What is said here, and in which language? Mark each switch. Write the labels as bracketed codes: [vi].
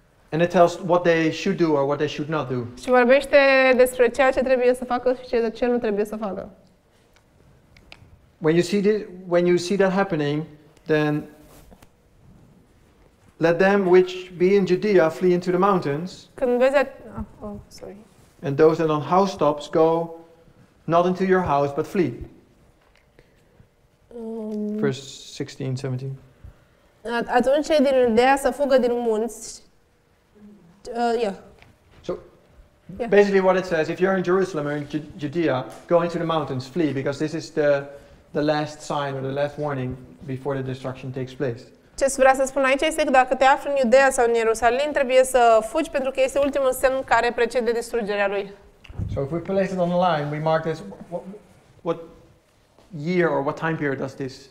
[en] And it tells what they should do or what they should not do. [ro] Și vorbește despre ceea ce trebuie să facă și ceea ce nu trebuie să facă. [en] When you see that happening, then let them which be in Judea flee into the mountains. [ro] Când vezi sorry. [en] And those that are on housetops go not into your house, but flee. Verse 16, 17. [ro] Atunci cei din Iudea să fugă din munți. [en] Basically what it says, if you're in Jerusalem or in Judea, go into the mountains, flee, because this is the last sign or the last warning before the destruction takes place. [ro] Ce vrea să spun aici este că dacă te afli în Iudea sau în Ierusalim, trebuie să fugi pentru că este ultimul semn care precede distrugerea lui. [en] So if we place it on the line, we mark this, what year or what time period does this